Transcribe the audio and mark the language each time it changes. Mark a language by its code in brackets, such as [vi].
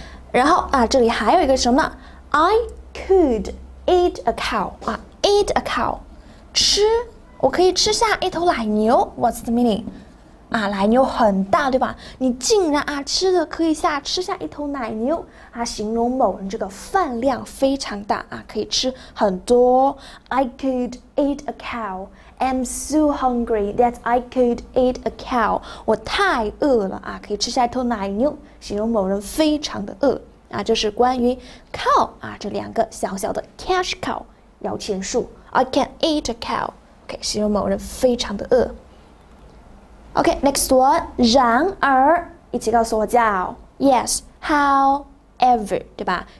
[zh] 然后啊，这里还有一个什么呢？ [en] I could eat a cow [zh] 啊， [en] eat a cow， [zh] 吃，我可以吃下一头奶牛。 [en] What's the meaning？ [zh] 啊，奶牛很大，对吧？你竟然啊，吃的可以下吃下一头奶牛啊，形容某人这个饭量非常大啊，可以吃很多。 [en] I could eat a cow. I'm so hungry that I could eat a cow. [zh] 我太饿了啊，可以吃下一头奶牛，形容某人非常的饿啊。这是关于 cow 啊这两个小小的 [en] cash cow [zh] 摇钱树。 [en] I can eat a cow，OK， [zh] 形容某人非常的饿。 OK， [en] next one， [zh] 然而，一起告诉我叫 yes，however，对吧？